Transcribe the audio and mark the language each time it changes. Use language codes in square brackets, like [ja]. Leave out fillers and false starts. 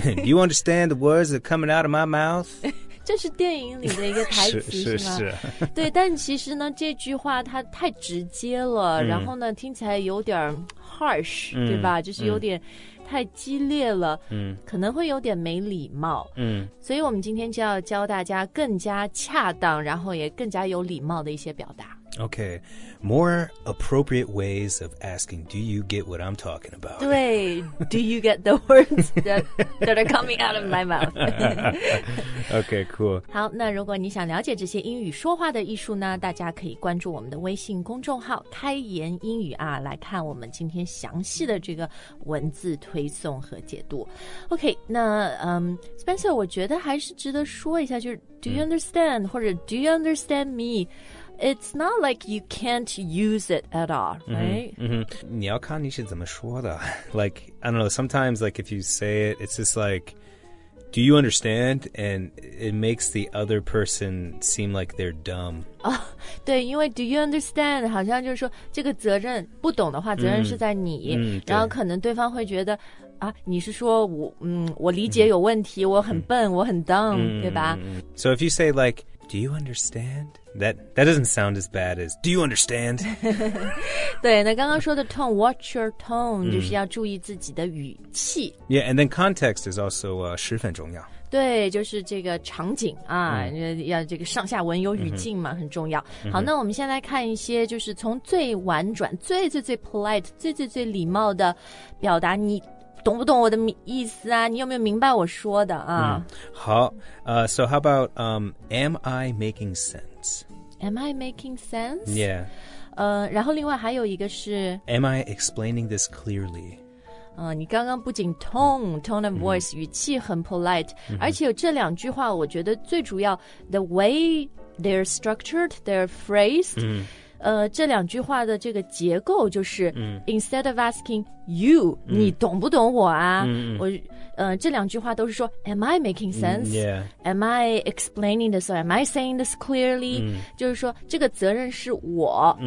[en] Do you understand the words that are coming out of my mouth? [zh] 这是电影里的一个台词是吗对但其实呢这句话它太直接了然后呢听起来有点 harsh 对吧就是有点太激烈了可能会有点没礼貌所以我们今天就要教大家更加恰当然后也更加有礼貌的一些表达 [en] OK More appropriate ways of asking Do you get what I'm talking about? 对 Do you get the words that are coming out of my mouth? OK, cool [zh] 好那如果你想了解这些英语说话的艺术呢大家可以关注我们的微信公众号开言英语啊来看我们今天详细的这个文字推送和解读 OK, 那Spencer 我觉得还是值得说一下就是 [en] Do you understand? 或者 Do you understand me? It's not like you can't use it at all, right? [zh] Mm-hmm. 你要看你是怎么说的。 [en] Like, I don't know, sometimes like if you say it, it's just like, do you understand? And it makes the other person seem like they're dumb. Oh, 对，因为 do you understand? [zh] 好像就是说这个责任不懂的话责任是在你。然后可能对方会觉得啊，你是说我理解有问题我很笨我很 dumb, 对吧 [en] So if you say like,Do you understand? That doesn't sound as bad as, do you understand? [zh] 对那刚刚说的 tone, [en] watch your tone, [zh] 就是要注意自己的语气。 [en] Yeah, and then context is also [zh] 十分重要。对就是这个场景啊、要这个上下文有语境嘛很重要。好那我们先来看一些就是从最婉转最最最 polite, 最最最礼貌的表达你懂不懂我的意思啊你有没有明白我说的啊、 [en] 好、so how about, am I making sense? Am I making sense? Yeah. [zh] 然后另外还有一个是 [en] Am I explaining this clearly? [zh] 你刚刚不仅 tone of voice,语气很 polite,而且有这两句话我觉得最主要 [en] the way they're structured, they're phrased, [zh] 这两句话的这个结构就是、instead of asking you,你懂不懂我啊、这两句话都是说 [en] am I making sense?、am I explaining this or am I saying this clearly?、 [zh] 就是说这个责任是我、